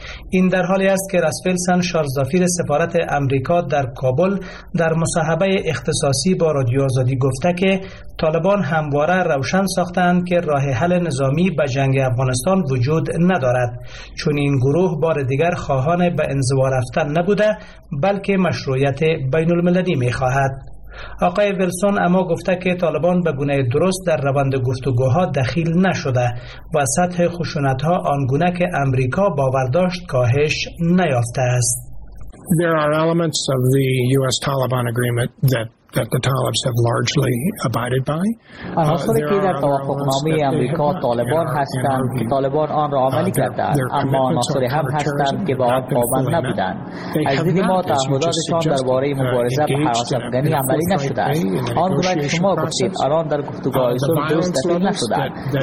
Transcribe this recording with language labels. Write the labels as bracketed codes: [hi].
[fa] این در حالی است که رسفیلسن شارزافیر سفارت امریکا در کابل در مصاحبه اختصاصی با رادیو آزادی گفته که طالبان همواره روشن ساختند که راه حل نظامی به جنگ افغانستان وجود ندارد، چون این گروه بار دیگر خواهان به انزوا رفتن نبوده بلکه مشروعیت بین المللی می خواهد. آقای ویلسون اما گفته که طالبان به گونه درست در روند گفتگوها دخیل نشده و سطح خشونتها آنگونه که امریکا باور داشت کاهش نیافته است. [en] There are elements of the US-Taliban agreement that the Talibs have largely abided by. [fa] عناصری که در توافقنامه امریکا طالبان هستند که طالبان آن را عملی کردند، اما عناصری هم هستند که با آن پابند نبودند. از دید ما تعهداتشان درباره مبارزه با حراس افغانی عملی نشده است. آن گونه که شما گفتید الان در گفتگوهای صلح درست دخیل نشدند.